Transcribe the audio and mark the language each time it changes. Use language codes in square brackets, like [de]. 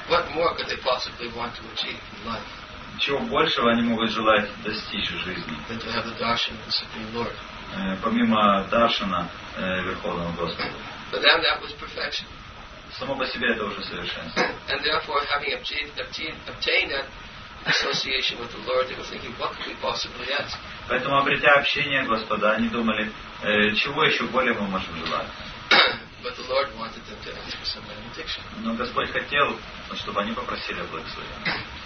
[en] What more could they possibly want to achieve in life? [ru] Чего большего они могут желать достичь в жизни? [en] Than to have the darshan of the Supreme Lord. [ru] Помимо даршана Верховного Господа. [en] For them, that was perfection. [ru] Само по себе это уже совершенство. [en] And therefore, having obtained that association with the Lord, they were thinking, what could we possibly ask? [ru] Поэтому, обретя общение Господа, они думали, чего еще более мы можем желать? [en] But the Lord wanted them to ask for some benediction. [ru] Но Господь хотел, чтобы они попросили о благословении.